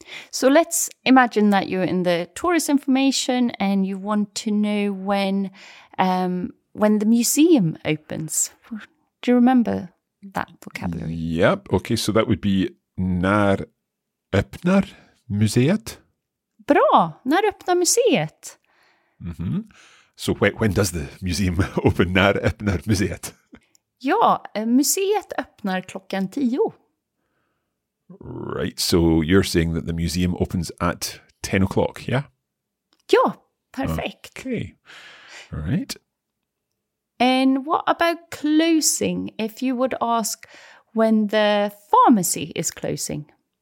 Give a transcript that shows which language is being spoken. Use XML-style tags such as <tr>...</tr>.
<en>So let's imagine that you're in the tourist information and you want to know when the museum opens. Do you remember that vocabulary? Yep. Okay, so that would be</en> <sv>när öppnar museet? Bra. När öppnar museet? Mm-hmm.</sv> <en>So when does the museum open?</en> <sv>När öppnar museet? Ja, museet öppnar klockan 10.</sv> <en>Right, so you're saying that the museum opens at 10 o'clock, yeah?</en> <sv>Ja, perfect.</sv> <en>Okay, right. And what about closing? If you would ask when the pharmacy is closing.</en>